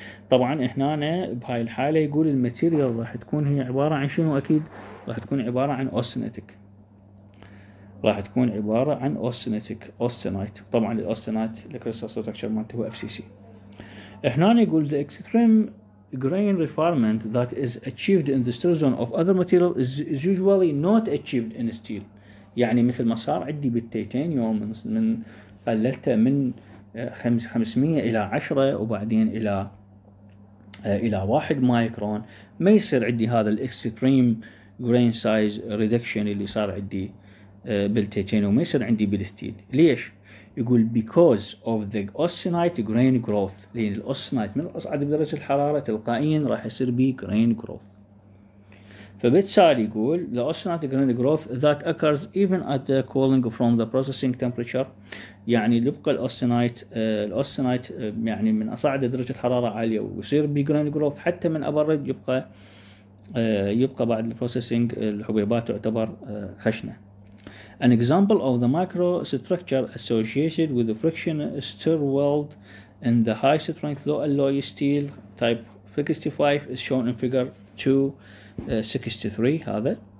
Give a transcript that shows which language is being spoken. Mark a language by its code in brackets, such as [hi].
[ar] طبعا هنا بهاي الحالة يقول الماتيريال راح تكون هي عبارة عن شنو؟ اكيد راح تكون عبارة عن اوستينيتك، راح تكون عبارة عن اوستينيتك اوستينايت. طبعا الاوستينايت الكريستال ستراكشر مالته هو اف سي سي. [en] هنا يقول the extreme grain refinement that is achieved in the stir zone of other material is usually not achieved in steel. [ar] يعني مثل ما صار عندي بالتيتانيوم من قللته من 500 الى 10 وبعدين الى واحد مايكرون، ما يصير عندي هذا الاكستريم grain size reduction اللي صار عندي بالتيتانيوم، ما يصير عندي بالستيل. ليش؟ يقول because of the austenite grain growth، لأن الأوستينايت من أصعد بدرجة الحرارة تلقائيا راح يصير بي grain growth. فبالتالي يقول the austenite grain growth that occurs even at the cooling from the processing temperature، يعني يبقى الأوستينايت يعني من أصعد درجة حرارة عالية ويصير بي grain growth حتى من أبرد، يبقى بعد البروسيسنج الحبيبات تعتبر خشنة. [en] An example of the microstructure associated with the friction stir weld in the high strength low alloy steel type 65 is shown in figure 263.